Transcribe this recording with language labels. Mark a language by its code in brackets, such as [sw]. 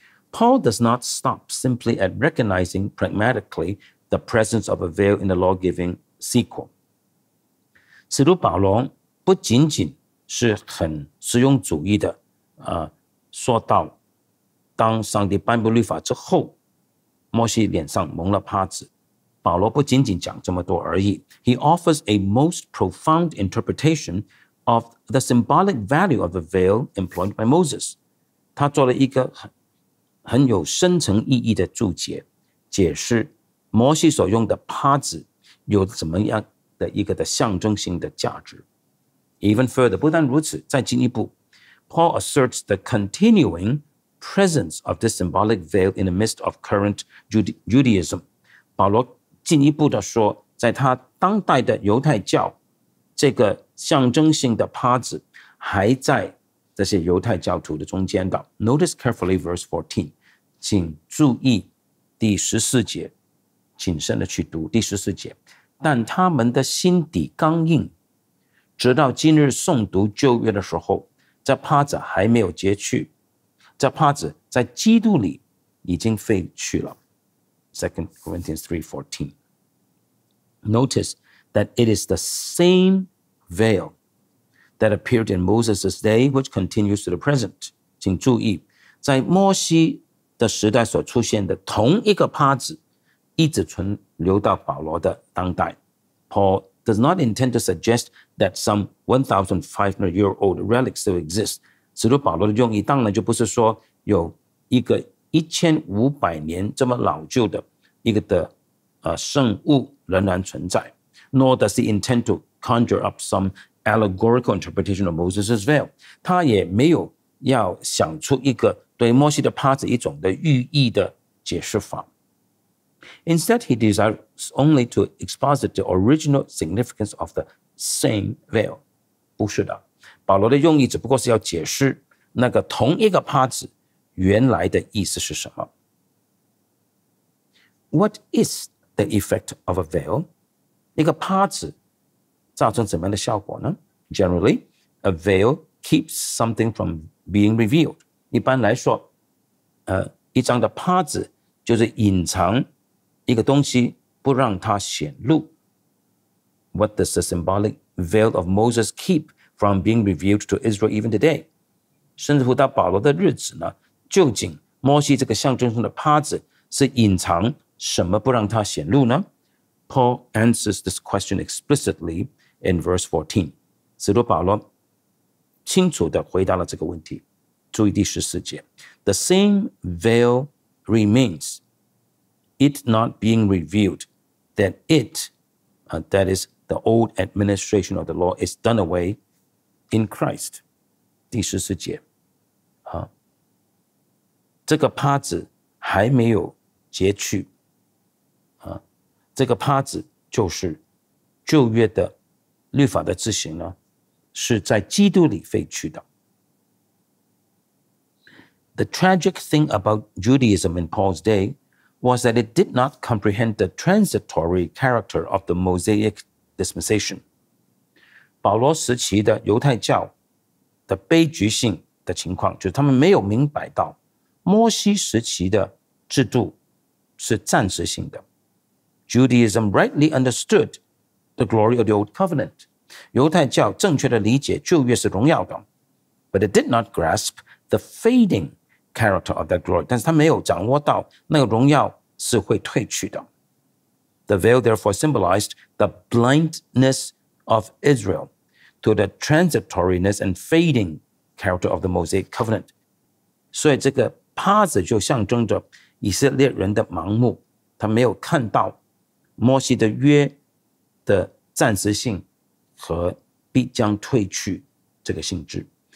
[en] Paul does not stop simply at recognizing pragmatically the presence of a veil in the law-giving sequel. [zh] 使徒保罗不仅仅是很实用主义的说到当上帝颁布律法之后，摩西脸上蒙了帕子。保罗不仅仅讲这么多而已。 [en] He offers a most profound interpretation of the symbolic value of the veil employed by Moses. [zh] 他做了一个 很有深层意义的注解，解释摩西所用的帕子有怎么样的一个的象征性的价值。 [en] Even further, [zh] 不但如此，再进一步， [en] Paul asserts the continuing presence of this symbolic veil in the midst of current Judaism. [zh] 保罗进一步地说，在他当代的犹太教，这个象征性的帕子还在这些犹太教徒的中间的。 [en] Notice carefully verse 14. [zh] 请注意第十四节，谨慎地去读第十四节。但他们的心底刚硬，直到今日诵读旧约的时候，这帕子还没有截去，这帕子在基督里已经废去了。 [en] 2 Corinthians 3:14. Notice that it is the same veil that appeared in Moses' day, which continues to the present. [zh] 请注意，在摩西的时代所出现的同一个帕子，一直存留到保罗的当代。 [en] Paul does not intend to suggest that some 1,500-year-old relic still exists. [zh] 使徒保罗的用意当然就不是说有一个1500年这么老旧的一个的圣物仍然存在， [en] nor does he intend to conjure up some allegorical interpretation of Moses' veil. [zh] 他也没有要想出一个对摩西的帕子一种的寓意的解释法。 [en] Instead, he desires only to exposit the original significance of the same veil. [zh] 不是的，保罗的用意只不过是要解释那个同一个帕子原来的意思是什么。 [en] What is the effect of a veil? [zh] 一个帕子造成怎么样的效果呢？ [en] Generally, a veil keeps something from being revealed. [zh] 一般来说，一张的帕子就是隐藏一个东西，不让它显露。 [en] What does the symbolic veil of Moses keep from being revealed to Israel even today? [zh] 甚至乎到保罗的日子呢，究竟摩西这个象征性的帕子是隐藏什么不让它显露呢？ [en] Paul answers this question explicitly in verse 14. [zh] 使徒保罗清楚地回答了这个问题。注意第十四节。 [en] The same veil remains, it not being revealed, that it, that is the old administration of the law, is done away in Christ. [zh] 第十四节。这个帕子还没有截去。这个帕子就是旧约的律法的执行呢，是在基督里废去的。 [en] The tragic thing about Judaism in Paul's day was that it did not comprehend the transitory character of the Mosaic dispensation. [zh] 保罗时期的犹太教的悲剧性的情况，就是他们没有明白到摩西时期的制度是暂时性的。 [en] Judaism rightly understood the glory of the old covenant. [zh] 犹太教正确的理解旧约是荣耀的。 [en] But it did not grasp the fading character of that glory. [zh] 但是他没有掌握到那个荣耀是会褪去的。 [en] The veil therefore symbolized the blindness of Israel to the transitoriness and fading character of the Mosaic covenant. [zh] 所以这个帕子就象征着以色列人的盲目，他没有看到摩西的约的暂时性和必将褪去这个性质。